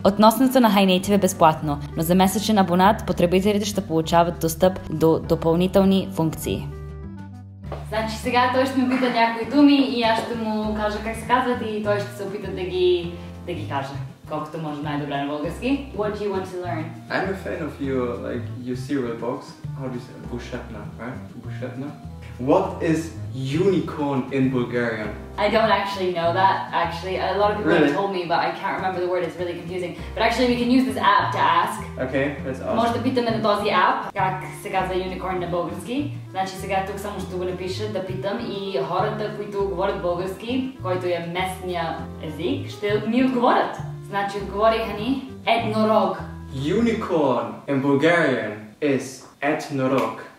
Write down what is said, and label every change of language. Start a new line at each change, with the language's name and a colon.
Bulgarian: Относното на HiNative е безплатно, но за месечен абонат потребителите ще получават достъп до допълнителни функции. Значи сега той ще ме пита някои думи и аз ще му кажа как се казват и той ще се опита да ги каже колкото може най-добре на български.
English: What do you want to learn? I'm a fan of your, like, your cereal box. How do you say it? Bushetna, right? Bushetna? What is unicorn in Bulgarian? I don't actually know that, actually. A lot of people really? Have told me, but I can't remember the word. It's really confusing. But actually, we can use this app to ask. Okay, let's ask.
Bulgarian: Можете питаме на този app, как се казва unicorn на български. Значи сега тук само ще го напиша, да питам. И хората, които говорят български, който е местния език, ще ми отговорят. Значи отговориха ни еднорог.
English: Unicorn in Bulgarian is еднорог.